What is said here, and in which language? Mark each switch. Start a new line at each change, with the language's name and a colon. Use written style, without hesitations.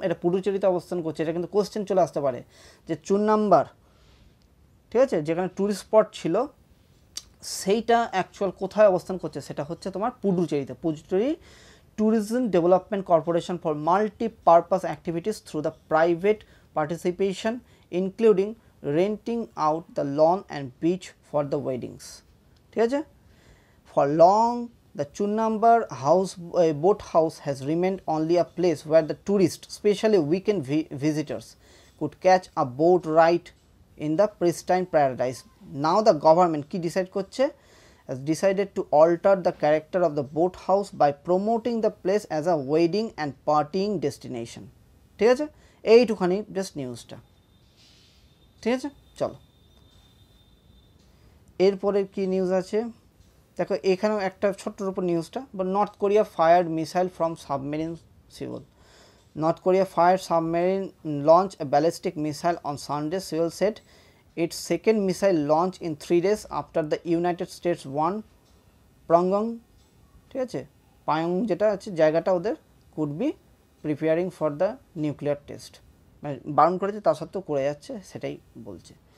Bangla: এটা পুডুচেরিতে অবস্থান করছে, এটা কিন্তু কোশ্চেন চলে আসতে পারে যে 4 নম্বর, ঠিক আছে, যেখানে টুরিস্ট স্পট ছিল সেইটা অ্যাকচুয়াল কোথায় অবস্থান করছে, সেটা হচ্ছে তোমার পুডুচেরিতে,
English: Puducherry tourism development corporation for multipurpose activities through the private participation including renting out the lawn and beach for the weddings,
Bangla: ঠিক আছে, for long
English: The Chunnambar house, boat house has remained only a place where the tourists, especially weekend visitors, could catch a boat ride in the pristine paradise. Now the government
Bangla: ki decide korche
English: has decided to alter the character of the boat house by promoting the place as a wedding and partying destination.
Bangla: ঠিক আছে, এইটুখানি just নিউজটা, ঠিক আছে, চলো এরপরের কি news আছে দেখো। এখানেও একটা ছোট্টর উপর নিউজটা,
English: But north Korea fired missile from submarine Seoul. North Korea fire submarine launch A ballistic missile on Sunday, Seoul set it's second missile launch in three days after the United states one প্রংগং, ঠিক আছে,
Bangla: পায়ং যেটা আছে জায়গাটা ওদের,
English: could be preparing for the nuclear test,
Bangla: মানে বারণ করেছে তা সত্ত্বেও করে যাচ্ছে সেটাই বলছে।